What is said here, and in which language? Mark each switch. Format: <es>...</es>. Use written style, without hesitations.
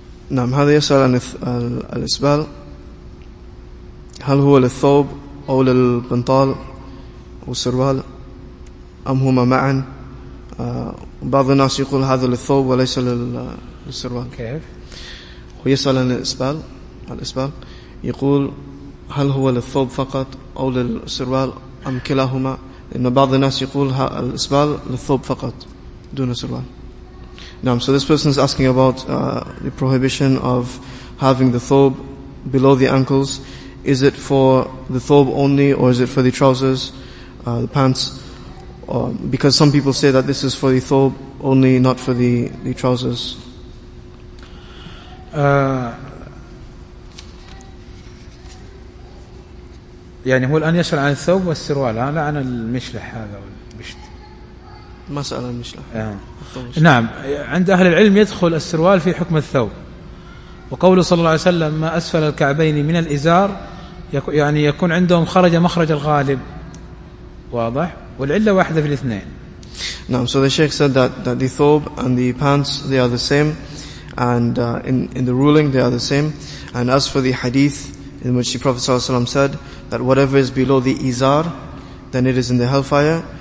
<ar>نعم هذا يسأل عن الإسبال، هل هو للثوب أو للبنطال والسروال أم هما معا؟ بعض الناس يقول هذا للثوب وليس للسروال. كيف؟ هو يسأل عن الإسبال، الإسبال يقول هل هو للثوب فقط أو للسروال أم كلاهما؟ لأن بعض الناس يقول الإسبال للثوب فقط دون السروال.</ar> <en>Now, so this person is asking about the prohibition of having the thawb below the ankles. Is it for the thawb only, or is it for the trousers, the pants? Because some people say that this is for the thawb only, not for the trousers.</en> <ar>يعني هو الآن يسأل عن الثوب والسروال، لا عن المشلح هذا والمشت. مسألة المشلح. نعم، عند أهل العلم يدخل السروال في حكم الثوب، وقوله صلى الله عليه وسلم ما أسفل الكعبين من الإزار، يعني يكون عندهم خرج مخرج الغالب. واضح؟ والعلة واحدة في الاثنين. نعم.</ar> <en>So the Sheikh said that the thawb and the pants, they are the same, and in the ruling they are the same. And as for the hadith in which the Prophet</en> <ar>صلى الله عليه وسلم</ar> <en>said that whatever is below the izar, then it is in the hellfire.</en>